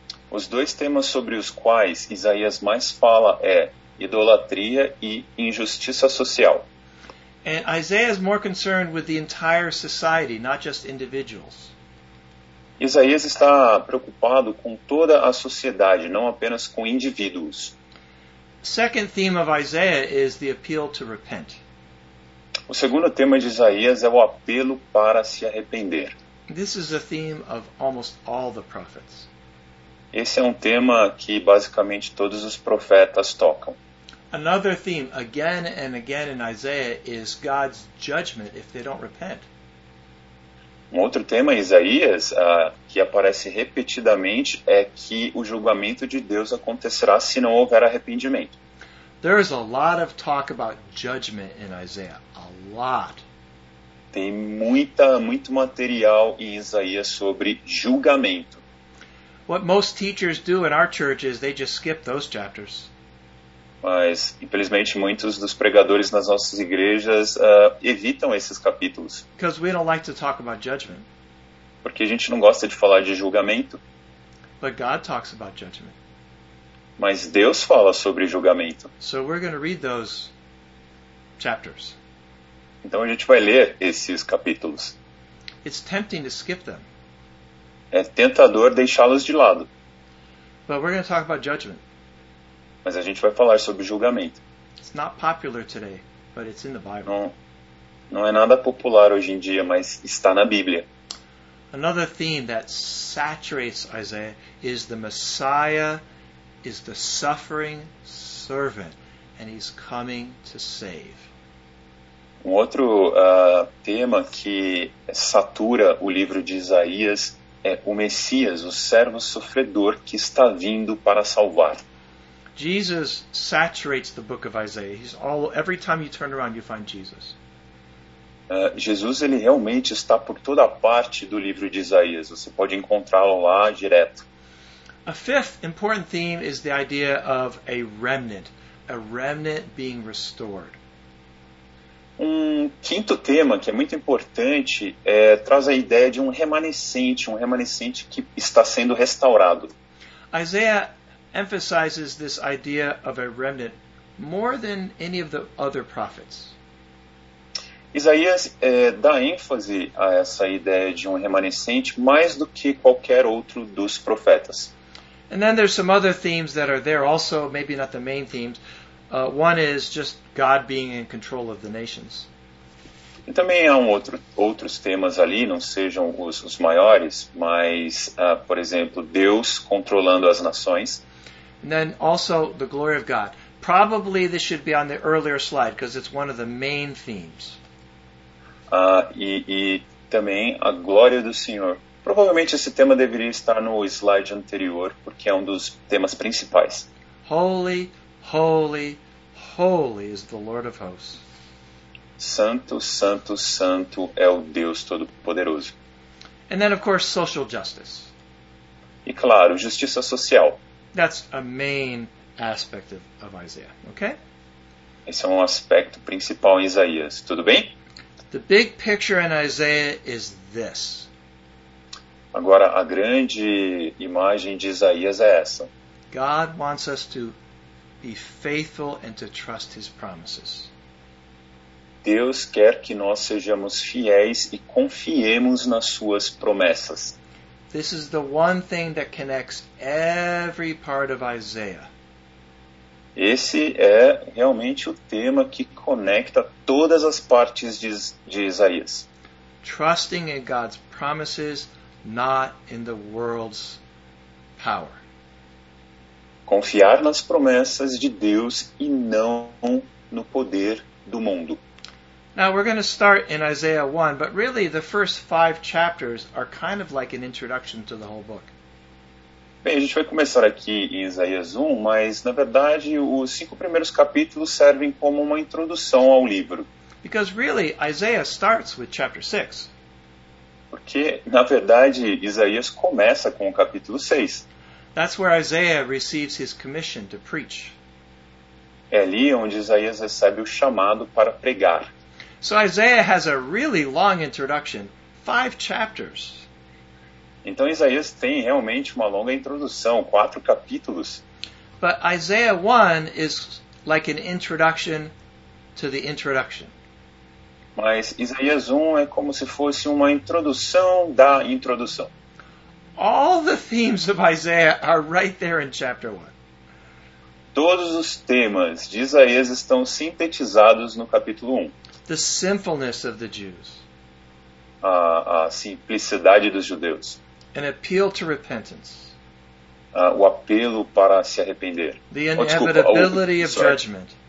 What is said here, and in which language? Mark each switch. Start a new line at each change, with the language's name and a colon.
Portuguese: Os dois temas sobre os quais Isaías mais fala é idolatria e injustiça social.
English: And Isaiah is more concerned with the entire society, not just individuals.
Portuguese: Isaías está preocupado com toda a sociedade, não apenas com indivíduos.
English: Second theme of Isaiah is the appeal to repent.
Portuguese: O segundo tema de Isaías é o apelo para se arrepender.
English: This is a theme of almost all the prophets.
Portuguese: Esse é um tema que basicamente todos os profetas tocam.
English: Another theme, again and again in Isaiah, is God's judgment if they don't repent.
Portuguese: Um outro tema em Isaías, que aparece repetidamente, é que o julgamento de Deus acontecerá se não houver arrependimento.
English: There is a lot of talk about judgment in Isaiah, a lot.
Portuguese: Tem muito material em Isaías sobre julgamento.
English: What most teachers do in our church is they just skip those chapters.
Portuguese: Mas, infelizmente, muitos dos pregadores nas nossas igrejas evitam esses capítulos.
English: Because we don't like to talk about judgment.
Portuguese: Porque a gente não gosta de falar de julgamento.
English: But God talks about judgment.
Portuguese: Mas Deus fala sobre julgamento.
English: So we're going to read those chapters.
Portuguese: Então a gente vai ler esses capítulos.
English: It's tempting to skip them.
Portuguese: É tentador deixá-los de lado.
English: But we're going to talk about judgment.
Portuguese: Mas a gente vai falar sobre julgamento.
English: It's not popular today, but it's in the Bible.
Portuguese: Não é nada popular hoje em dia, mas está na Bíblia.
English: Another theme that saturates Isaiah is the Messiah is the suffering servant, and he's coming to save.
Portuguese: Um outro tema que satura o livro de Isaías é o Messias, o servo sofredor que está vindo para salvar.
English: Jesus saturates the book of Isaiah. Every time you turn around, you find Jesus.
Portuguese: Jesus, ele realmente está por toda a parte do livro de Isaías. Você pode encontrá-lo lá direto.
English: A fifth important theme is the idea of a remnant being restored.
Portuguese: Um quinto tema que é muito importante traz a ideia de um remanescente que está sendo restaurado.
English: Isaiah emphasizes this idea of a remnant more than any of the other prophets.
Portuguese: Isaías dá ênfase a essa ideia de um remanescente mais do que qualquer outro dos profetas.
English: And then there's some other themes that are there also, maybe not the main themes. One is just God being in control of the nations.
Portuguese: E também há outros temas ali, não sejam os maiores, mas, por exemplo, Deus controlando as nações.
English: And then also the glory of God. Probably this should be on the earlier slide because it's one of the main themes.
Portuguese: E também a glória do Senhor. Provavelmente esse tema deveria estar no slide anterior porque é um dos temas principais.
English: Holy, holy, holy is the Lord of hosts.
Portuguese: Santo, santo, santo é o Deus Todo-Poderoso.
English: And then of course social justice.
Portuguese: E claro, justiça social.
English: That's a main aspect of Isaiah, okay?
Portuguese: Esse é um aspecto principal em Isaías, tudo bem?
English: The big picture in Isaiah is this.
Portuguese: Agora, a grande imagem de Isaías é essa.
English: God wants us to be faithful and to trust his promises.
Portuguese: Deus quer que nós sejamos fiéis e confiemos nas suas promessas.
English: This is the one thing that connects every part of Isaiah.
Portuguese: Esse é realmente o tema que conecta todas as partes de Isaías.
English: Trusting in God's promises, not in the world's power.
Portuguese: Confiar nas promessas de Deus e não no poder do mundo.
English: Now we're going to start in Isaiah 1, but really the first five chapters are kind of like an introduction to the whole book.
Portuguese: Bem, a gente vai começar aqui em Isaías 1, mas na verdade os cinco primeiros capítulos servem como uma introdução ao livro.
English: Because really, Isaiah starts with chapter 6.
Portuguese: Porque, na verdade, Isaías começa com o capítulo 6.
English: That's where Isaiah receives his commission to preach.
Portuguese: É ali onde Isaías recebe o chamado para pregar.
English: So Isaiah has a really long introduction, five chapters.
Portuguese: Então Isaías tem realmente uma longa introdução, quatro capítulos.
English: But Isaiah 1 is like an introduction to the introduction.
Portuguese: Mas Isaías 1 é como se fosse uma introdução da introdução.
English: All the themes of Isaiah are right there in chapter 1.
Portuguese: todos os temas de Isaías estão sintetizados no capítulo 1.
English: The sinfulness of the Jews.
Portuguese: A simplicidade dos judeus.
English: An appeal to repentance.
Portuguese: O apelo para se arrepender.
English: The inevitability of judgment.